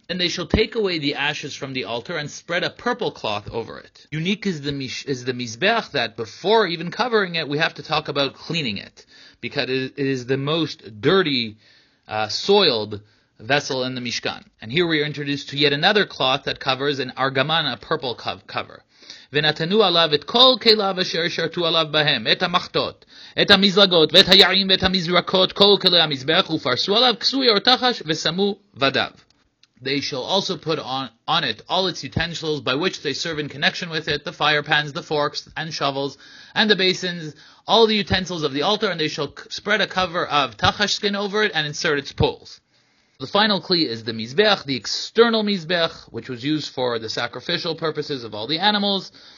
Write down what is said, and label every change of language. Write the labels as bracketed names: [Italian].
[English] And they shall take away the ashes from the altar and spread a purple cloth over it. Unique is the mizbech that before even covering it, we have to talk about cleaning it, because it is the most dirty, soiled vessel in the Mishkan. And here we are introduced to yet another cloth that covers an argaman, a purple cover. [Hebrew] ונתנו עליו את כל כליו אשר ישרתו עליו בהם, את המחתות, את המזלגות, ואת היעים, ואת המזרקות, כל כלי המזבח, ופרסו עליו כסוי אור תחש, ושמו ודיו. [English] They shall also put on it all its utensils by which they serve in connection with it, the fire pans, the forks and shovels, and the basins, all the utensils of the altar, and they shall spread a cover of tachash skin over it and insert its poles. The final kli is the mizbeach, the external mizbeach, which was used for the sacrificial purposes of all the animals.